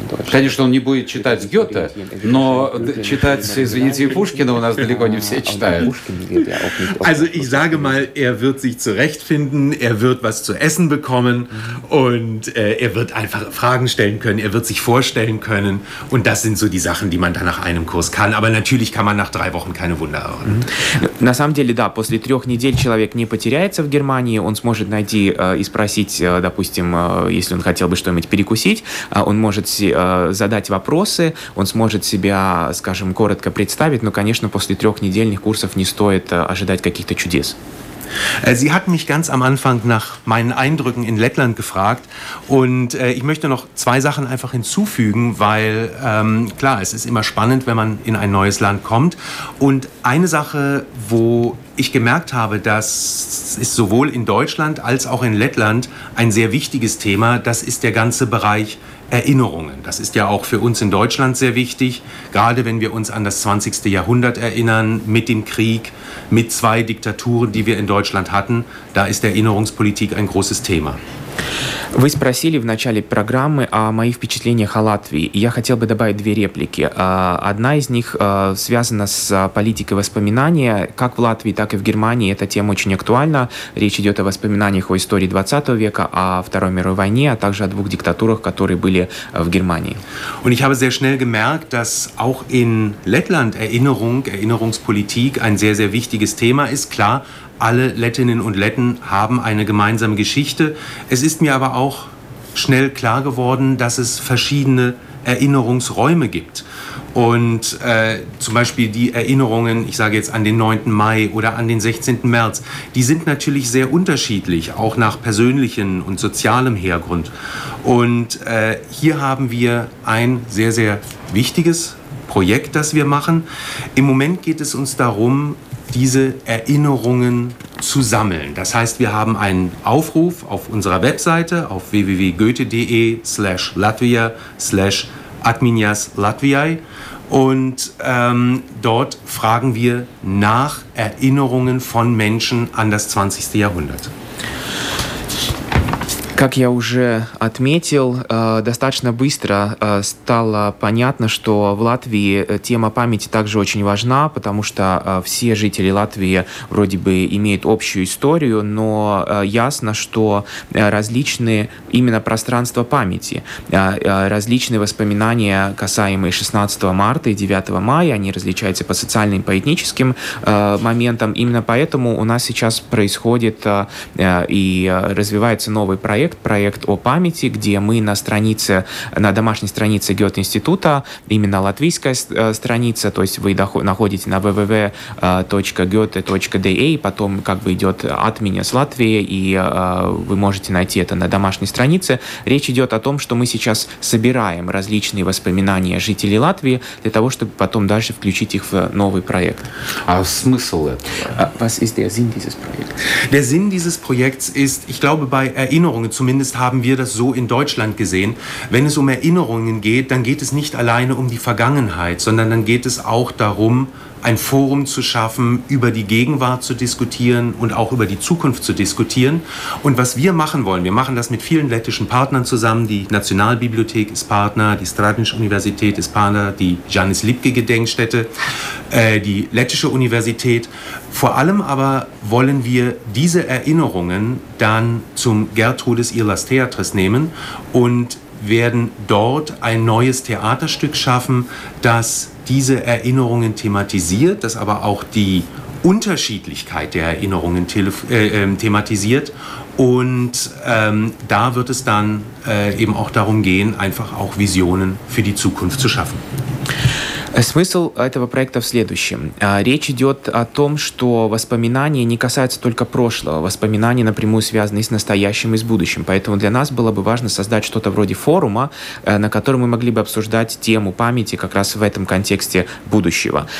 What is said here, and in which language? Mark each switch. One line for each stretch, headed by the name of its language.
Russian: Конечно, он не будет читать Гёте, но читать, извините, Пушкина у нас далеко не все читают.
German: Also ich sage mal, er wird sich zurechtfinden, er wird was zu essen bekommen und er wird einfach Fragen stellen können, er wird sich vorstellen können und das sind so die Sachen, die man dann nach einem Kurs kann. Aber natürlich kann man nach 3 Wochen keine Wunder erwarten.
Russian: На самом деле, да, после 3 недель человек не потеряется в Германии, он сможет найти и спросить, допустим, если он хотел бы что-нибудь перекусить, он может задать вопросы, он сможет себя, скажем, коротко представить, но, конечно, после 3 недельных курсов не стоит ожидать каких-то чудес.
German: Sie hatten mich ganz am Anfang nach meinen Eindrücken in Lettland gefragt und ich möchte noch 2 Sachen einfach hinzufügen, weil klar, es ist immer spannend, wenn man in ein neues Land kommt und eine Sache, wo ich gemerkt habe, das ist sowohl in Deutschland als auch in Lettland ein sehr wichtiges Thema, das ist der ganze Bereich Erinnerungen. Das ist ja auch für uns in Deutschland sehr wichtig, gerade wenn wir uns an das 20. Jahrhundert erinnern, mit dem Krieg, mit 2 Diktaturen, die wir in Deutschland hatten, da ist Erinnerungspolitik ein großes Thema.
Russian: Вы спросили в начале программы о моих впечатлениях о Латвии. Я хотел бы добавить 2 реплики. Одна из них связана с политикой воспоминания. Как в Латвии, так и в Германии эта тема очень актуальна. Речь идет о воспоминаниях о истории 20 века, о Второй мировой войне, а также о 2 диктатурах, которые были в Германии.
German: Und ich habe sehr schnell gemerkt, dass auch in Lettland Erinnerungspolitik ein sehr, sehr wichtiges Thema ist. Klar, alle Lettinnen und Letten haben eine gemeinsame Geschichte. Es ist mir aber auch schnell klar geworden, dass es verschiedene Erinnerungsräume gibt. Und zum Beispiel die Erinnerungen, ich sage jetzt an den 9. Mai oder an den 16. März, die sind natürlich sehr unterschiedlich, auch nach persönlichem und sozialem Hergrund. Und hier haben wir ein sehr, sehr wichtiges Projekt, das wir machen. Im Moment geht es uns darum, diese Erinnerungen zu sammeln. Das heißt, wir haben einen Aufruf auf unserer Webseite auf www.goethe.de/Latvia/Adminias Latviae und dort fragen wir nach Erinnerungen von Menschen an das 20. Jahrhundert.
Russian: Как я уже отметил, достаточно быстро стало понятно, что в Латвии тема памяти также очень важна, потому что все жители Латвии вроде бы имеют общую историю, но ясно, что различные именно пространства памяти, различные воспоминания, касаемые 16 марта и 9 мая, они различаются по социальным, по этническим моментам. Именно поэтому у нас сейчас происходит и развивается новый проект, проект о памяти, где мы на странице, на домашней странице Гёте-института, именно латвийская страница, то есть вы находите на www.goethe.de, потом как бы идет от меня с Латвии, и вы можете найти это на домашней странице. Речь идет о том, что мы сейчас собираем различные воспоминания жителей Латвии для того, чтобы потом дальше включить их в новый проект. А смысл этого?
German: Was ist der Sinn dieses Projekts? Der Sinn dieses Projekts ist, ich glaube, bei Erinnerungen zu Zumindest haben wir das so in Deutschland gesehen. Wenn es um Erinnerungen geht, dann geht es nicht alleine um die Vergangenheit, sondern dann geht es auch darum, ein Forum zu schaffen, über die Gegenwart zu diskutieren und auch über die Zukunft zu diskutieren. Und was wir machen wollen, wir machen das mit vielen lettischen Partnern zusammen. Die Nationalbibliothek ist Partner, die Stradinsch-Universität ist Partner, die Janis-Lipke-Gedenkstätte, die lettische Universität. Vor allem aber wollen wir diese Erinnerungen dann zum Gertrudes Irlas Theatres nehmen und werden dort ein neues Theaterstück schaffen, das diese Erinnerungen thematisiert, das aber auch die Unterschiedlichkeit der Erinnerungen thematisiert. Und da wird es dann eben auch darum gehen, einfach auch Visionen für die Zukunft zu schaffen.
Russian: Смысл этого проекта в следующем. Речь идет о том, что воспоминания не касаются только прошлого. Воспоминания напрямую связаны с настоящим и с будущим. Поэтому для нас было бы важно создать что-то вроде форума, на котором мы могли бы обсуждать тему памяти как раз в этом контексте будущего.